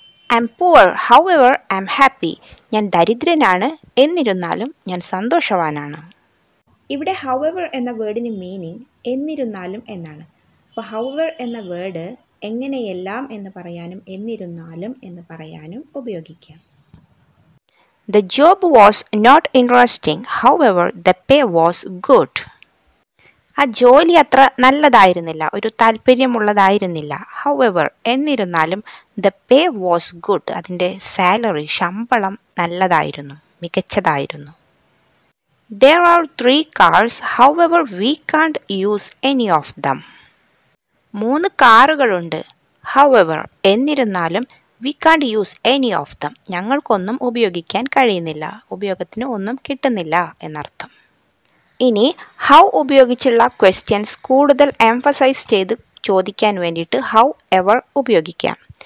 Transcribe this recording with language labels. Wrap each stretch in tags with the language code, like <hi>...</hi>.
<en>I'm poor, however I'm happy,</en> <ml>ഞാൻ ദരിദ്രനാണ് എന്നിരുന്നാലും ഞാൻ സന്തോഷവാനാണ്. ഇവിടെ ഹൗ എവർ എന്ന വേർഡിന് മീനിങ് എന്നിരുന്നാലും എന്നാണ്. അപ്പോൾ ഹൗ എവർ എന്ന വേർഡ് എങ്ങനെയെല്ലാം എന്ന് പറയാനും എന്നിരുന്നാലും എന്ന് പറയാനും ഉപയോഗിക്കാം.</ml> <en>The job was not interesting, however the pay was good.</en> <ml>ആ ജോലി അത്ര നല്ലതായിരുന്നില്ല, ഒരു താല്പര്യമുള്ളതായിരുന്നില്ല. However, എന്നിരുന്നാലും</ml> <en>the pay was good,</en> <ml>അതിൻ്റെ സാലറി, ശമ്പളം നല്ലതായിരുന്നു, മികച്ചതായിരുന്നു.</ml> <en>There are three cars, however we can't use any of them.</en> <ml>മൂന്ന് കാറുകളുണ്ട്, however എന്നിരുന്നാലും</ml> <en>we can't use any of them,</en> <ml>ഞങ്ങൾക്കൊന്നും ഉപയോഗിക്കാൻ കഴിയുന്നില്ല, ഉപയോഗത്തിന് ഒന്നും കിട്ടുന്നില്ല എന്നർത്ഥം. ഇനി ഹൗ ഉപയോഗിച്ചുള്ള ക്വസ്റ്റ്യൻസ് കൂടുതൽ എംഫസൈസ് ചെയ്ത് ചോദിക്കാൻ വേണ്ടിയിട്ട് ഹൗ എവർ ഉപയോഗിക്കാം.</ml>